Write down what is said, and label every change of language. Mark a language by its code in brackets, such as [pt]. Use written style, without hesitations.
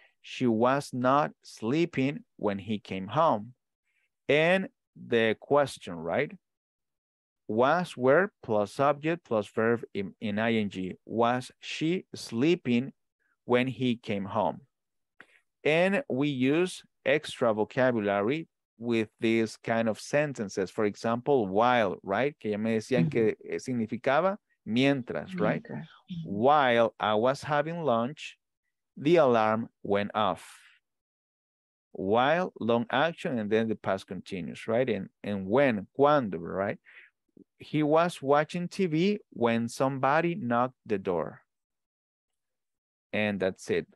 [en] She was not sleeping when he came home. And the question, right? Was, were, plus subject, plus verb in ing. Was she sleeping when he came home? And we use extra vocabulary with these kind of sentences. For example, while, right? [es] Que ya me decían que significaba mientras, right? [en] While I was having lunch, the alarm went off. While, long action, and then the past continuous, right? And when, cuando, right? He was watching TV when somebody knocked the door. And that's it.